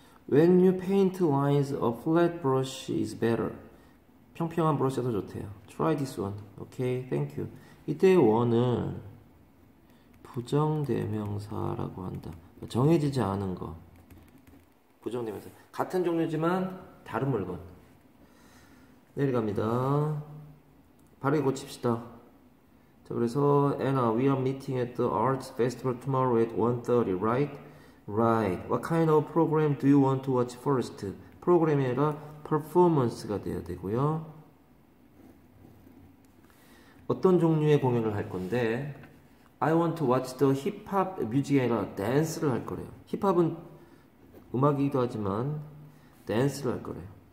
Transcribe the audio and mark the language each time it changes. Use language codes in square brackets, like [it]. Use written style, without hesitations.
[en] When you paint lines, a flat brush is better. [ko] 평평한 브러쉬가 더 좋대요. [en] Try this one. Okay, thank you. [ko] 이때 원은 부정대명사라고 한다. 정해지지 않은 거. 부정대명사. 같은 종류지만 다른 물건. 내려갑니다. 바르게 고칩시다. 자, 그래서 [en] Anna, we are meeting at the arts festival tomorrow at 1:30, right? Right. What kind of program do you want to watch first? [ko] 프로그램이라 퍼포먼스가 돼야 되고요. 어떤 종류의 공연을 할 건데, [en] I want to watch the hip-hop music [ko] 아니라 댄스를 할 거래요. 힙합은 음악이기도 하지만 댄스를 할 거래요.